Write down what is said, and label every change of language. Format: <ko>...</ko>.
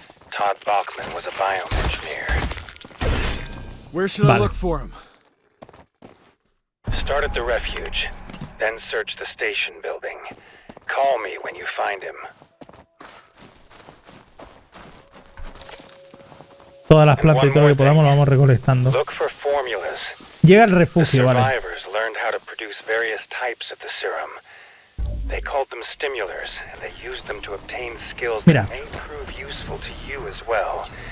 <en>Todd Bachman was a bioengineer. Where should I look for him? Start at the refuge, then search the station building. Call me when you find him.</en> <es>Todas las plantas y todo lo que podamos lo vamos recolectando.</es> <en>Look for formulas.</en> <es>Llega al refugio, vale.</es> <en>The survivors learned how to produce various types of the serum. They called them stimulators, and they used them to obtain skills</en> <es>Mira.</es> <en>That may prove useful to you as well.</en>